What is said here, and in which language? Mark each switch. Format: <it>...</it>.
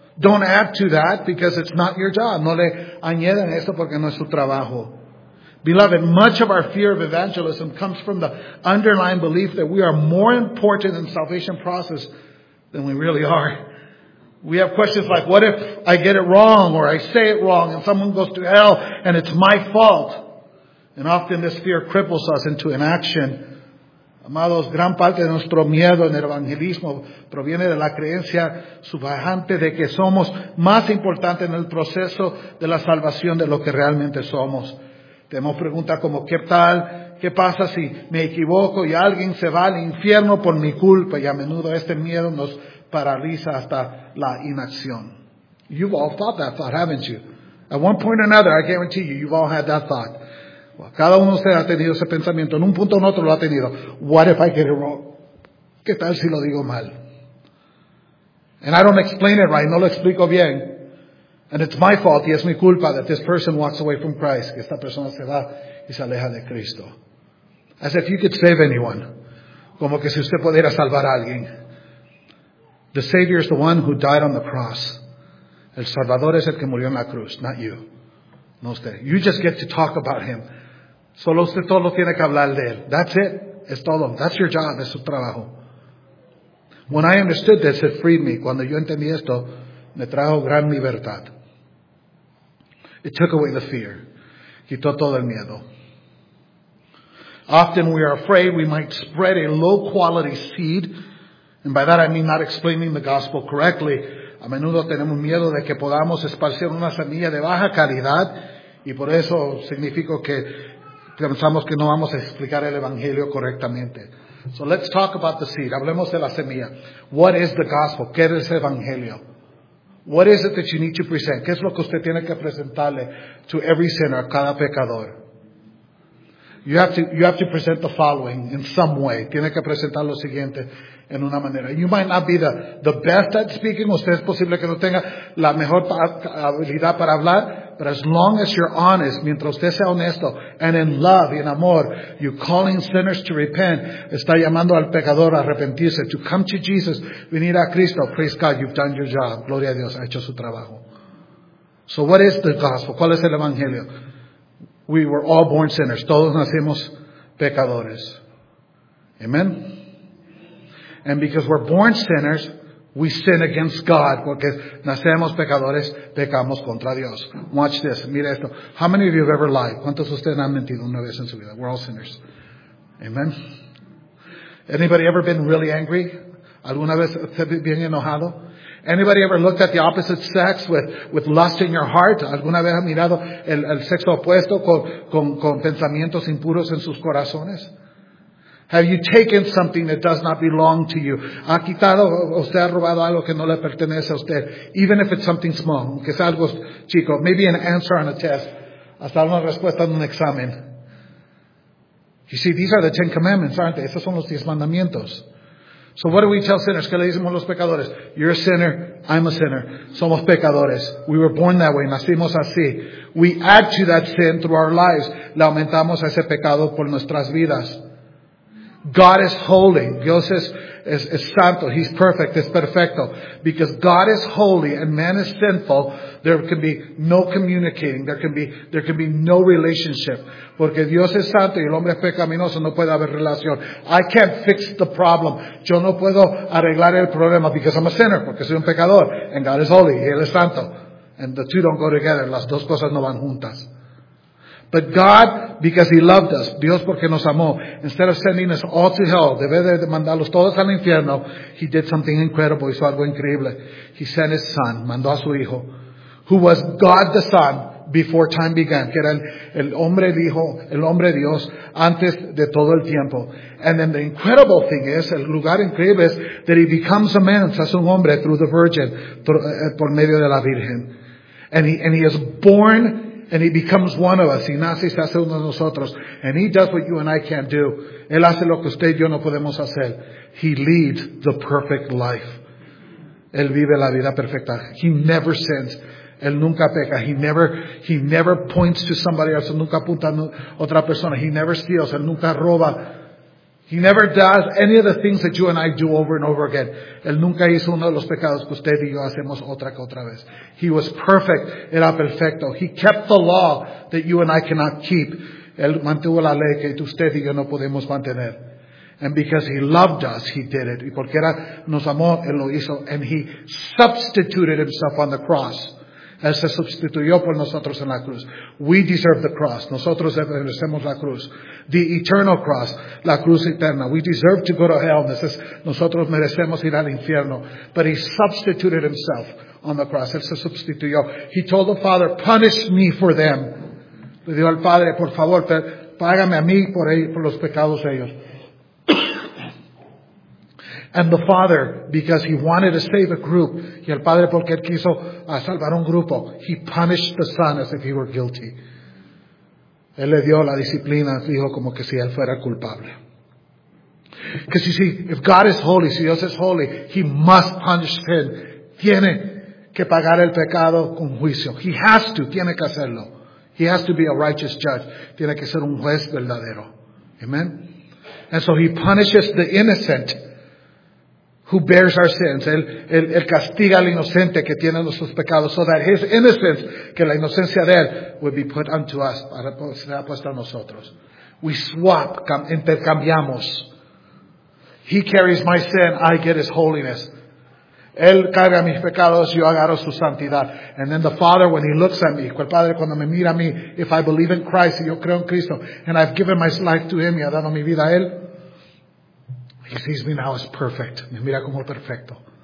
<en>Don't add to that because it's not your job.</en> <es>No le añadan esto porque no es su trabajo.</es> <en>Beloved, much of our fear of evangelism comes from the underlying belief that we are more important in the salvation process than we really are. We have questions like, what if I get it wrong or I say it wrong and someone goes to hell and it's my fault? And often this fear cripples us into inaction.</en> <es>Amados, gran parte de nuestro miedo en el evangelismo proviene de la creencia subyacente de que somos más importantes en el proceso de la salvación de lo que realmente somos. Tenemos preguntas como, ¿qué tal? ¿Qué pasa si me equivoco y alguien se va al infierno por mi culpa? Y a menudo este miedo nos paraliza hasta la inacción.</es> <en>You've all thought that thought, haven't you? At one point or another, I guarantee you, you've all had that thought.</en> <es>Well, cada uno de ustedes ha tenido ese pensamiento. En un punto o en otro lo ha tenido.</es> <en>What if I get it wrong?</en> <es>¿Qué tal si lo digo mal?</es> <en>And I don't explain it right.</en> <es>No lo explico bien.</es> <en>And it's my fault.</en> <es>Y es mi culpa</es> <en>that this person walks away from Christ.</en> <es>Que esta persona se va y se aleja de Cristo.</es> <en>As if you could save anyone.</en> <es>Como que si usted pudiera salvar a alguien.</es> <en>The Savior is the one who died on the cross.</en> <es>El Salvador es el que murió en la cruz,</es> <en>not you.</en> <es>No usted.</es> <en>You just get to talk about him.</en> <es>Solo usted todo tiene que hablar de él.</es> <en>That's it.</en> <es>Es todo.</es> <en>That's your job.</en> <es>Es su trabajo.</es> <en>When I understood this, it freed me.</en> <es>Cuando yo entendí esto, me trajo gran libertad.</es> <en>It took away the fear.</en> <es>Quitó todo el miedo.</es> <en>Often we are afraid we might spread a low quality seed. And by that I mean not explaining the gospel correctly.</en> <es>A menudo tenemos miedo de que podamos esparcir una semilla de baja calidad, y por eso significa que pensamos que no vamos a explicar el evangelio correctamente.</es> <en>So let's talk about the seed.</en> <es>Hablemos de la semilla.</es> <en>What is the gospel?</en> <es>¿Qué es el evangelio?</es> <en>What is it that you need to present?</en> <es>¿Qué es lo que usted tiene que presentarle</es> <en>to every sinner,</en> <es>cada pecador?</es> <en>You have to present the following in some way.</en> <es>Tiene que presentar lo siguiente en una manera.</es> <en>You might not be the best at speaking.</en> <es>Usted es posible que no tenga la mejor habilidad para hablar.</es> <en>But as long as you're honest,</en> <es>mientras usted sea honesto,</es> <en>and in love, in amor, you're calling sinners to repent.</en> <es>Está llamando al pecador a arrepentirse.</es> <en>To come to Jesus,</en> <es>venir a Cristo.</es> <en>Praise God, you've done your job.</en> <es>Gloria a Dios, ha hecho su trabajo.</es> <en>So what is the gospel?</en> <es>¿Cuál es el evangelio?</es> <en>We were all born sinners.</en> <es>Todos nacimos pecadores.</es> <en>Amen? And because we're born sinners, we sin against God.</en> <es>Porque nacemos pecadores, pecamos contra Dios.</es> <en>Watch this.</en> <es>Mira esto.</es> <en>How many of you have ever lied?</en> <es>¿Cuántos de ustedes han mentido una vez en su vida?</es> <en>We're all sinners. Amen? Anybody ever been really angry?</en> <es>¿Alguna vez bien enojado?</es> <en>Anybody ever looked at the opposite sex with lust in your heart?</en> <es>¿Alguna vez ha mirado el sexo opuesto con pensamientos impuros en sus corazones?</es> <en>Have you taken something that does not belong to you?</en> <es>¿Ha quitado, usted ha robado algo que no le pertenece a usted?</es> <en>Even if it's something small,</en> <es>aunque sea algo chico.</es> <en>Maybe an answer on a test.</en> <es>Hasta una respuesta en un examen.</es> <en>You see, these are the Ten Commandments, aren't they?</en> <es>Esos son los 10 mandamientos.</es> <en>So what do we tell sinners?</en> <es>¿Qué le decimos a los pecadores?</es> <en>You're a sinner, I'm a sinner.</en> <es>Somos pecadores.</es> <en>We were born that way.</en> <es>Nacimos así.</es> <en>We add to that sin through our lives.</en> <es>Le aumentamos a ese pecado por nuestras vidas.</es> <en>God is holy.</en> <es>Dios es santo.</es> <en>He's perfect.</en> <es>Es perfecto.</es> <en>Because God is holy and man is sinful, there can be no communicating. There can be no relationship.</en> <es>Porque Dios es santo y el hombre es pecaminoso, no puede haber relación.</es> <en>I can't fix the problem.</en> <es>Yo no puedo arreglar el problema</es> <en>because I'm a sinner,</en> <es>porque soy un pecador.</es> <en>And God is holy.</en> <es>Y él es santo.</es> <en>And the two don't go together.</en> <es>Las dos cosas no van juntas.</es> <en>But God, because He loved us,</en> <es>Dios porque nos amó,</es> <en>instead of sending us all to hell,</en> <es>debe de mandarlos todos al infierno,</es> <en>He did something incredible,</en> <es>hizo algo increíble.</es> <en>He sent His Son,</en> <es>mandó a su Hijo,</es> <en>who was God the Son before time began,</en> <es>que era el hombre el Hijo, el hombre Dios, antes de todo el tiempo.</es> <en>And then the incredible thing is,</en> <es>el lugar increíble es,</es> <en>that He becomes a man,</en> <es>se hace un hombre,</es> <en>through the Virgin,</en> <es>por medio de la Virgen.</es> <en>And he is born. And He becomes one of us.</en> <es>Y nace y se hace uno de nosotros.</es> <en>And He does what you and I can't do.</en> <es>Él hace lo que usted y yo no podemos hacer.</es> <en>He leads the perfect life.</en> <es>Él vive la vida perfecta.</es> <en>He never sins.</en> <es>Él nunca peca.</es> <en>He never points to somebody else.</en> <es>Nunca apunta a otra persona.</es> <en>He never steals.</en> <es>Él nunca roba.</es> <en>He never does any of the things that you and I do over and over again.</en> <es>Él nunca hizo uno de los pecados que usted y yo hacemos otra que otra vez.</es> <en>He was perfect.</en> <es>Era perfecto.</es> <en>He kept the law that you and I cannot keep.</en> <es>Él mantuvo la ley que usted y yo no podemos mantener.</es> <en>And because He loved us, He did it.</en> <es>Y porque era, nos amó, Él lo hizo.</es> <en>And He substituted Himself on the cross.</en> <es>Él se sustituyó por nosotros en la cruz.</es> <en>We deserve the cross.</en> <es>Nosotros merecemos la cruz.</es> <en>The eternal cross.</en> <es>La cruz eterna.</es> <en>We deserve to go to hell.</en> <es>Nosotros merecemos ir al infierno.</es> <en>But He substituted Himself on the cross.</en> <es>Él se sustituyó.</es> <en>He told the Father, punish me for them.</en> <es>Le dijo al Padre, por favor, págame a mí por los pecados de ellos.</es> <en>And the Father, because He wanted to save a group,</en> <es>y el Padre porque él quiso salvar un grupo,</es> <en>He punished the Son as if He were guilty.</en> <es>Él le dio la disciplina al Hijo como que si él fuera culpable.</es> <en>Because you see, if God is holy,</en> <es>si Dios es holy,</es> <en>He must punish sin.</en> <es>Tiene que pagar el pecado con juicio.</es> <en>He has to,</en> <es>tiene que hacerlo.</es> <en>He has to be a righteous judge.</en> <es>Tiene que ser un juez verdadero.</es> <en>Amen? And so He punishes the innocent. Who bears our sins.</en> <es>Él castiga al inocente que tiene nuestros pecados.</es> <en>So that His innocence,</en> <es>que la inocencia de Él,</es> <en>would be put unto us.</en> <es>Será puesta a nosotros.</es> <en>We swap,</en> <es>intercambiamos.</es> <en>He carries my sin, I get His holiness.</en> <es>Él carga mis pecados, yo agarro su santidad.</es> <en>And then the Father, when He looks at me,</en> <es>el Padre cuando me mira a mí,</es> <en>if I believe in Christ,</en> <es>si yo creo en Cristo,</es> <en>and I've given my life to Him,</en> <es>y ha dado mi vida a Él,</es> <en>He sees me now as perfect.</en> <es>Me mira como perfecto.</es>